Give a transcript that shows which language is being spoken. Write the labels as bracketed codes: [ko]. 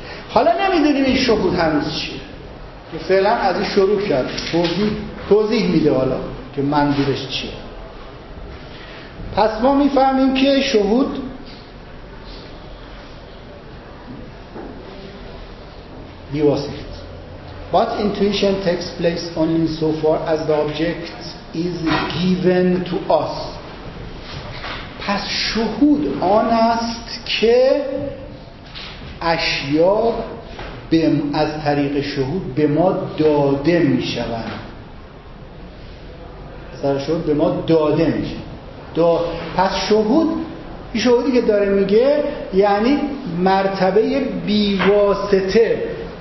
[fa] حالا نمیدونیم این شهود هنوز چیه، فعلا از این شروع کرد توضیح میده حالا که منظورش چیه. پس ما میفهمیم که شهود بیواسطه. [en] But intuition takes place only so far as the object is given to us. [fa] پس شهود آن است که اشیا از طریق شهود به ما داده می شوند. سر شهود به ما داده می شوند. پس شهود، این شهودی که داره میگه یعنی مرتبه بیواسطه.